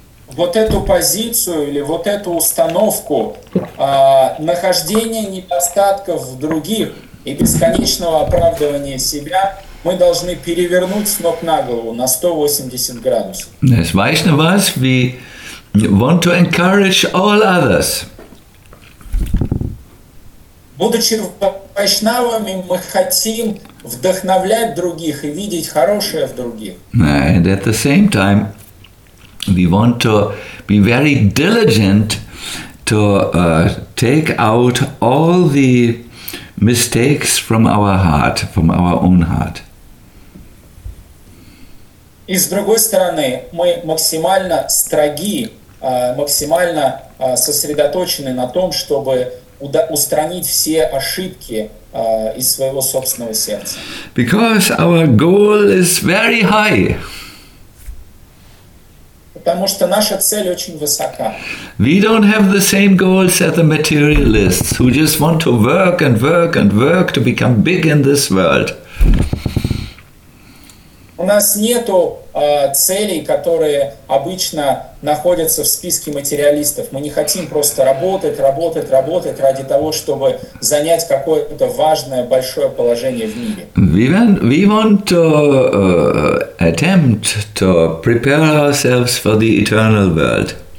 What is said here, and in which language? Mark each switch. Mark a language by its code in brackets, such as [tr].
[ru] вот эту позицию или вот эту установку нахождения недостатков в других и бесконечного оправдывания себя мы должны перевернуть с ног на голову на 180 градусов. [en] As Vaishnavas, we want to encourage all others. [ru] Будучи вайшнавами, мы хотим вдохновлять других и видеть хорошее в других. [en] And at the same time, we want to be very diligent to take out all the mistakes from our heart, from our own heart. [ru] И с другой стороны, мы максимально строги, максимально сосредоточены на том, чтобы устранить все ошибки из своего собственного сердца. [en] Because our goal is very high. [ru] Потому что наша цель очень высока. [en] We don't have the same goals as the materialists who just want to work and work and work to become big in this world. [ru] У нас нету целей, которые обычно находятся в списке материалистов. Мы не хотим просто работать, работать, работать ради того, чтобы занять какое-то важное, большое положение в мире. [en] We want to attempt to prepare ourselves for the eternal world.